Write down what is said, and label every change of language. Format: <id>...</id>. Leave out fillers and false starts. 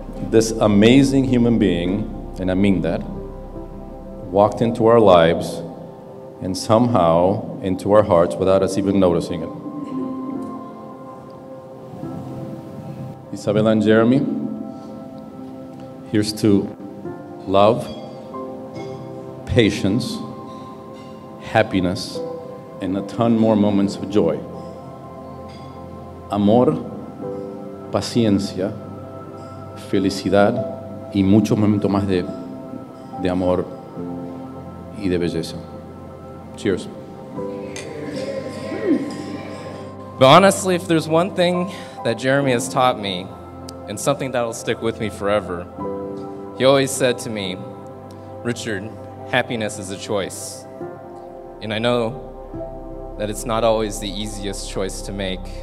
<en>This amazing human being, and I mean that, walked into our lives and somehow into our hearts without us even noticing it. Isabella and Jeremy, here's to love, patience, happiness, and a ton more moments of joy.</en> <es>Amor, paciencia, felicidad y muchos momentos más de amor y de belleza.</es> <en>Cheers. But honestly, if there's one thing that Jeremy has taught me and something that'll stick with me forever, he always said to me, Richard, happiness is a choice. And I know that it's not always the easiest choice to make.</en>